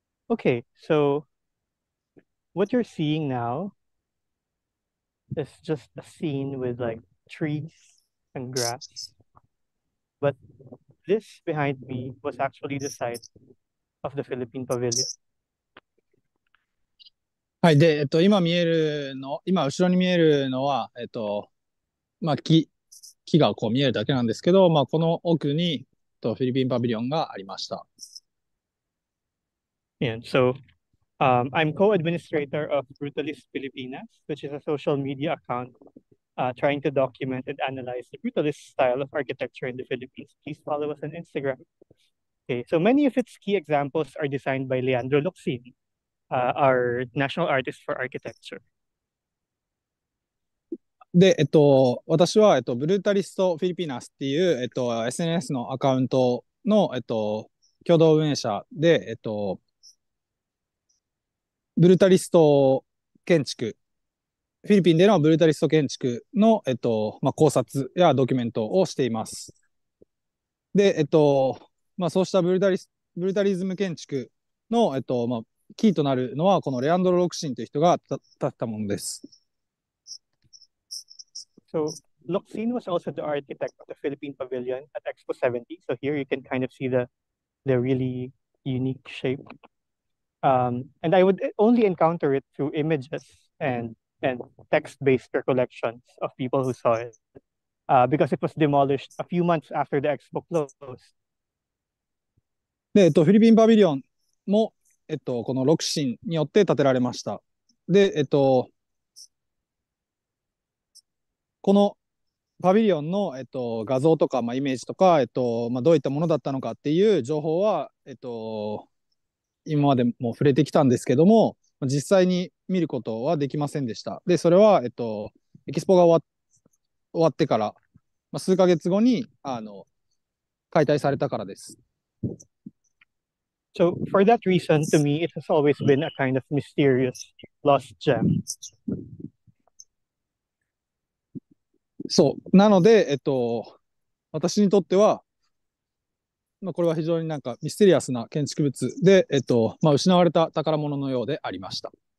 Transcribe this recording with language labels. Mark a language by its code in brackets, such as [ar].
[en] Okay, so what you're seeing now, it's just a scene with like trees and grass. But this behind me was actually the site of the Philippine Pavilion. [ja] はい。で、今見えるの、今後ろに見えるのは、まあ、木がこう見えるだけなんですけど、まあ、この奥に、フィリピンパビリオンがありました。 [en] Yeah, so... I'm co-administrator of Brutalist Filipinas, which is a social media account trying to document and analyze the brutalist style of architecture in the Philippines. Please follow us on Instagram. Okay, so many of its key examples are designed by Leandro Loxin, our national artist for architecture. [ja] で、私は、Brutalist Filipinas っていう、SNS のアカウントの、共同運営者で、ブルタリスト建築、フィリピンでのブルタリスト建築の、まあ、考察やドキュメントをしています。で、まあ、そうしたブルタリズム建築の、まあ、キーとなるのは、このレアンドロ・ロクシンという人が立ったものです。 [en] So, Loxin was also the architect of the Philippine Pavilion at Expo 70. So here you can kind of see the really unique shape. And I would only encounter it through images and text-based recollections of people who saw it because it was demolished a few months after the expo closed. [ja] で、フィリピンパビリオンも、このロクシンによって建てられました。で、このパビリオンの、画像とか、まあ、イメージとか、まあ、どういったものだったのかっていう情報は、今までも触れてきたんですけども、実際に見ることはできませんでした。で、それは、エキスポが終わってから、まあ、数ヶ月後に解体されたからです。 [en] So, for that reason, to me, it has always been a kind of mysterious lost gem. [ja] そう、なので、私にとっては、まあ、これは非常になんかミステリアスな建築物で、まあ、失われた宝物のようでありました。